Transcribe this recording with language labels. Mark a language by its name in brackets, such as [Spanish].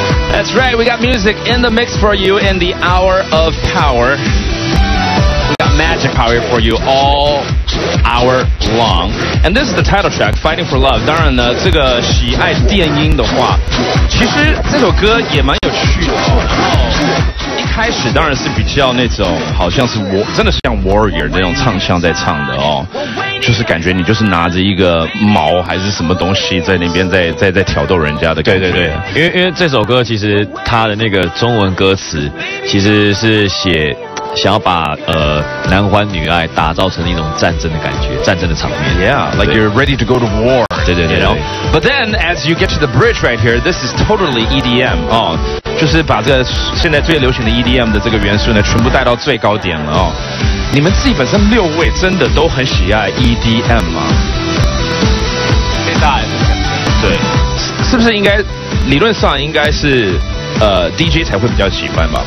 [English] That's right, we got music in the mix for you in the Hour of Power. We got magic power for you all hour long. And this is the title track, Fighting for Love. [Chinese] 当然呢，这个喜爱电音的话，其实这首歌也蛮有趣的。一开始当然是比较那种好像是真的是像 warrior 那种唱腔在唱的哦，就是感觉你就是拿着一个矛还是什么东西在那边在挑逗人家的感觉。对对对，因为这首歌其实它的那个中文歌词其实是写想要把男欢女爱打造成一种战争的感觉，战争的场面。 [English] Yeah, like you're ready to go to war. [Chinese] 对对对。然后 [English] ，But then as you get to the bridge right here, this is totally EDM. [Chinese] 哦，就是把这个现在最流行的 EDM 的这个元素呢，全部带到最高点了哦。你们自己本身六位真的都很喜爱 EDM 吗？最大的，对，是不是应该理论上应该是DJ 才会比较喜欢吧？